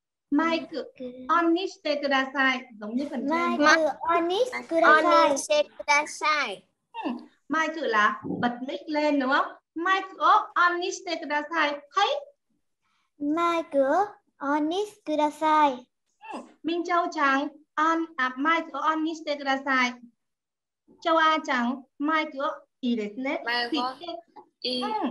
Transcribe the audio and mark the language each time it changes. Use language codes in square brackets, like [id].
[ja] Mic, on にしてください。 [vi] giống như phần trên. [ja] Mic, on にしてください。 [vi] Mic là bật mic lên, đúng không? [ja] Mic, on にしてください。 [en] Hey. [ja] Mic, on にしてください。 [vi] Minh Châu Trắng. [ja] On, à, mic on にしてください. Châu A Trắng, mic on にしてください.